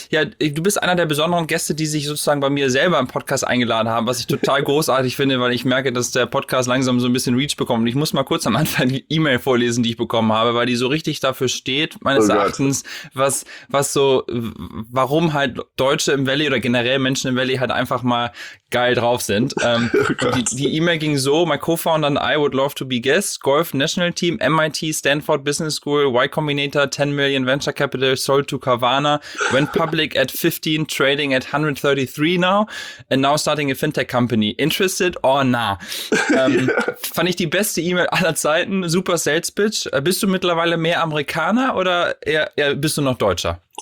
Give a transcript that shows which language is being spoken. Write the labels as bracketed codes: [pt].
[de] Ja, du bist einer der besonderen Gäste, die sich sozusagen bei mir selber im Podcast eingeladen haben, was ich total großartig finde, weil ich merke, dass der Podcast langsam so ein bisschen Reach bekommt. Und ich muss mal kurz am Anfang die E-Mail vorlesen, die ich bekommen habe, weil die so richtig dafür steht, meines Erachtens, warum halt Deutsche im Valley oder generell Menschen im Valley halt einfach mal geil drauf sind. Die E-Mail ging so: [en] My co-founder and I would love to be guests. Golf National Team, MIT, Stanford Business School, Y-Com. Combinator, 10 million venture capital, sold to Carvana, went public at 15, trading at 133 now, and now starting a fintech company. Interested or nah? [de] Fand ich die beste E-Mail aller Zeiten. Super Sales Pitch. Bist du mittlerweile mehr Amerikaner oder eher bist du noch Deutscher?